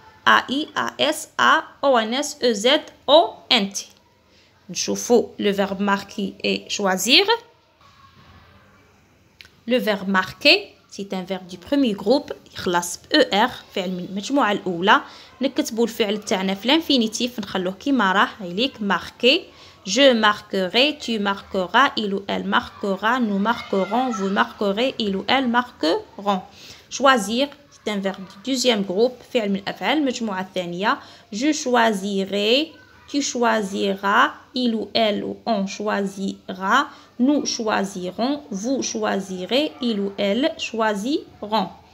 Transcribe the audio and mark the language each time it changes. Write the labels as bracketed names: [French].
[French] A-I-A-S-A-O-N-S-E-Z-O-N-T. [Arabic] نشوفو [French] le verbe marquer et choisir. Le verbe marquer, c'est un verbe du premier groupe, [Arabic] يخلص [French] ER, [Arabic] فعل من المجموعة الأولى. نكتبو الفعل تاعنا في الانفينيتيف, نخلوه كيما راه عليك marquer. [French] Je marquerai, tu marqueras, il ou elle marquera, nous marquerons, vous marquerez, il ou elle marqueront. Choisir, c'est un verbe du deuxième groupe, [Arabic] فعل من الأفعال المجموعة الثانية. [French] Je choisirai, tu choisiras, il ou elle ou on choisira, nous choisirons, vous choisirez, il ou elle choisiront.